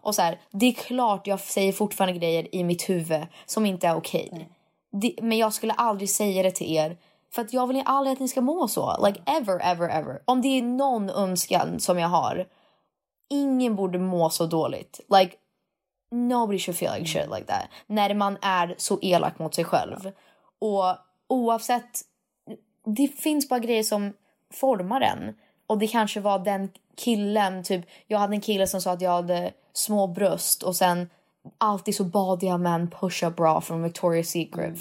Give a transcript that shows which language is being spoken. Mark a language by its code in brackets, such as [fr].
[sv] Och såhär, det är klart jag säger fortfarande grejer i mitt huvud som inte är okej. Okay. Men jag skulle aldrig säga det till er. För att jag vill aldrig att ni ska må så. [en] Like ever, ever, ever. [sv] Om det är någon önskan som jag har, ingen borde må så dåligt. [en] Like, nobody should feel like shit like that. [sv] När man är så elak mot sig själv. Ja. Och oavsett, det finns bara grejer som formar den. Och det kanske var den killen, typ, jag hade en kille som sa att jag hade små bröst. Och sen alltid så bad jag med en push-up bra från Victoria's Secret.